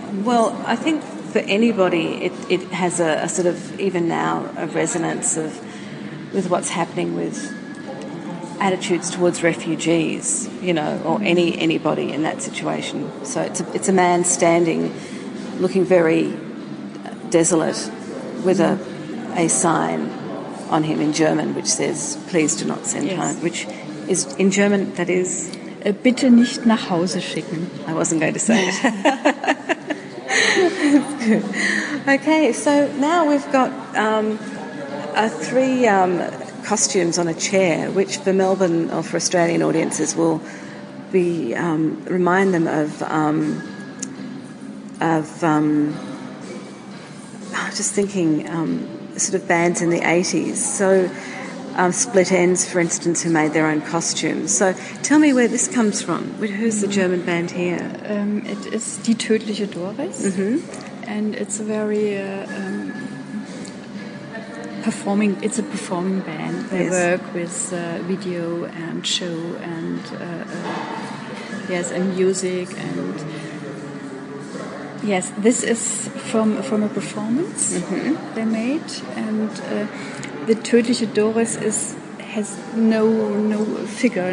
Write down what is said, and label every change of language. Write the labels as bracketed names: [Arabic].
[English] Well, I think for anybody, it has a sort of, even now, a resonance of with what's happening with attitudes towards refugees, you know, or anybody in that situation. So it's a man standing, looking very desolate, with a sign on him in German which says "Please do not send home," which is in German, that is [German] "Bitte nicht nach Hause schicken." [English] I wasn't going to say it. Okay, so now we've got three costumes on a chair, which for Melbourne or for Australian audiences will be remind them of just thinking sort of bands in the 80s. So Split Enz, for instance, who made their own costumes. So tell me where this comes from. Who's the German band here? It is Die Tödliche Doris. Mm-hmm. And it's a very performing... It's a performing band. They work with video and show and... and music and... Yes, this is from a performance they made, and the Tödliche Doris has no figure,